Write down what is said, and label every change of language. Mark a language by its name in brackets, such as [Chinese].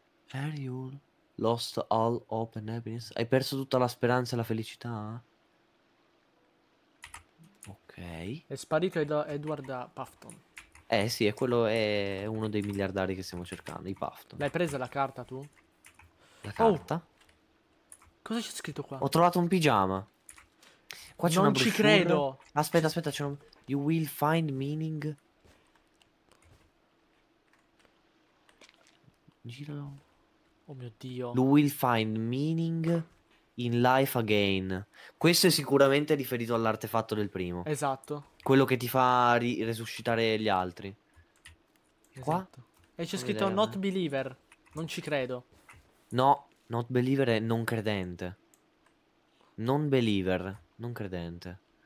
[English] Have you lost all hope and happiness? [Italian] Hai perso tutta la speranza e la felicità? Ok. È sparito Edward Pafton. Sì, è quello, è uno dei miliardari che stiamo cercando, i Pafton. L'hai presa la carta tu? La carta? Cosa c'è scritto qua? Ho trovato un pigiama. Qua c'è non una ci credo. Aspetta, aspetta, c'è un... [English] You will find meaning. [Italian] Gira. Oh mio Dio. [English] You will find meaning in life again. [Italian] Questo è sicuramente riferito all'artefatto del primo. Esatto. Quello che ti fa resuscitare gli altri. Esatto. Qua? E c'è scritto [English] not believer. [Italian] Non ci credo. No, [English] not believer [Italian] è non credente. Non believer. Non credente.